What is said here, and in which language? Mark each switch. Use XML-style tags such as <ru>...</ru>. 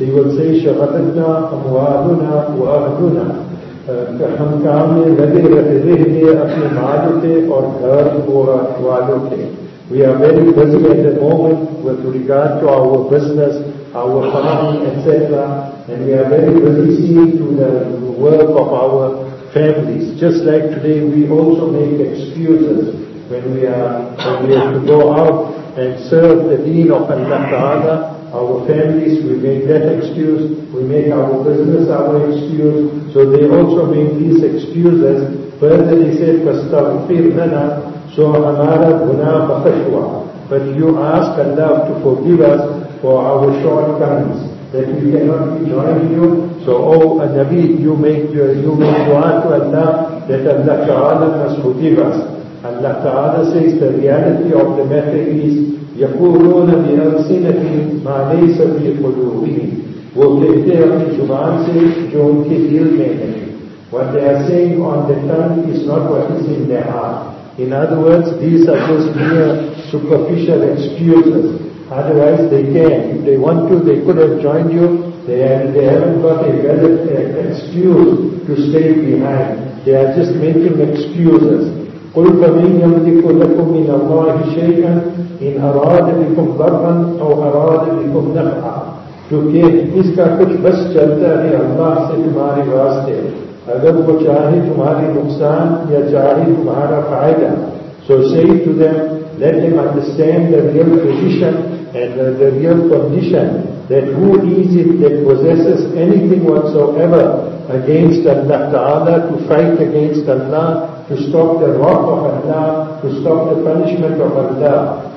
<en>They will say,</en> <ar>شَهَدَتْنَا أَمْوَالُنَا وَأَهْلُنَا</ar> <ur>ہم کام میں لگے رہتے اپنے مالوں کے اور گھر والوں کے.</ur> <en>We are very busy at the moment with regard to our business, our family, etc. And we are very busy seeing to the work of our families. Just like today, we also make excuses when we have to go out and serve the deen of Allah Ta'ala. Our families, we make that excuse. We make our business our excuse. So they also make these excuses. Further, they said,</en> <ar>فَاسْتَغْفِرْ لَنَا</ar> <ur>So amara guna bakhshwa.</ur> <en>But you ask Allah to forgive us for our shortcomings, that we cannot be joining you. So, Nabi, you make dua to Allah that Allah Ta'ala must forgive us. Allah Ta'ala says the reality of the matter is,</en> <ar>يَقُولُونَ بِأَلْسِنَةٍ مَا لَيْسَ فِي قُلُوبِهِمْ</ar> <ur>وہ کہتے ہیں اپنی زبان سے جو ان کے دل میں ہے.</ur> <en>What they are saying on the tongue is not what is in their heart. In other words, these are just mere superficial excuses. Otherwise, they can. If they want to, they could have joined you. They haven't got a valid excuse to stay behind. They are just making excuses.</en> <ar>قُلْ فَمِنْ يَمْدِكُ لَكُمْ مِنَ اللَّهِ شَيْئًا إِنْ أَرَادَ بِكُمْ ضَرًّا أَوْ أَرَادَ بِكُمْ نَفْعًا</ar> <ur>تو کہ اس کا کچھ بس چلتا ہے اللہ سے تمہارے واسطے. اگر وہ چاہے تمہارے نقصان یا چاہے تمہارا فائدہ.</ur> <en>So say to them, let them understand the real position and the real condition, that who is it that possesses anything whatsoever against Allah Ta'ala, to fight against Allah, to stop the wrath of Allah, to stop the punishment of Allah.</en>